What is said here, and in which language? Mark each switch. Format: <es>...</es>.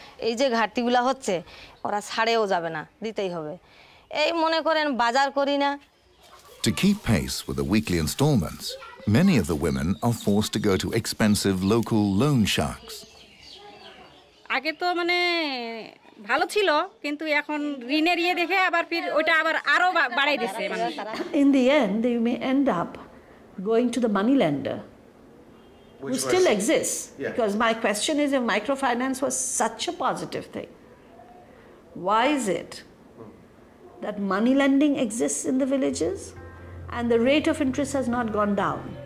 <bn>এই যে ঘাটতিগুলা হচ্ছে ওরা ছাড়েও যাবে না দিতেই হবে এই মনে করেন বাজার করি না</bn> <en>To keep pace with the weekly installments, many of the women are forced to go to expensive local loan sharks.</en> <bn>আগে তো মানে ভালো ছিল কিন্তু এখন ঋণের ইয়ে দেখে আবার ফির ওটা আবার আরো বাড়াই দিয়েছে মানে</bn> <en>তারা In the end they may end up going to the money lender who still exists because my question is if microfinance was such a positive thing why is it that money lending exists in the villages and the rate of interest has not gone down</en>